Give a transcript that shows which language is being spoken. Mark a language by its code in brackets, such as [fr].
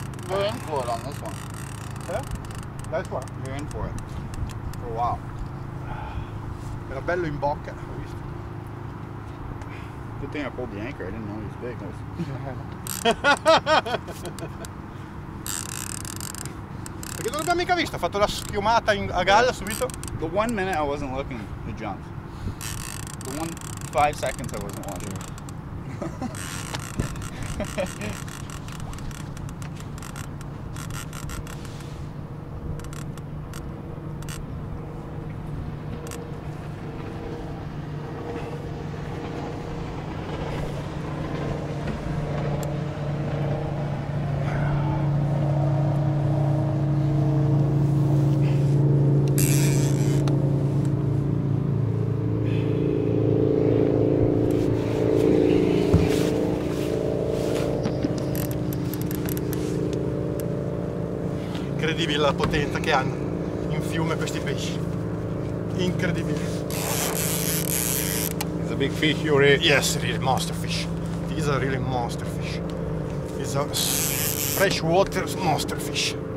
[en] We're in for it on this one. Yeah? Nice one. We're in for it. For a while. [it] Era bello in bocca. [en] Good thing I pulled the anchor. I didn't know he was big. [it] Perché non l'abbiamo mica visto? Ha fatto la schiumata a galla subito? [en] The 1 minute I wasn't looking, he jumped. The 5 seconds I wasn't watching. [it] Incredibile la potenza che hanno in fiume questi pesci. Incredibile. [en] It's a big fish, Yuri. Yes, really monster fish. These are really monster fish. It's a freshwater monster fish.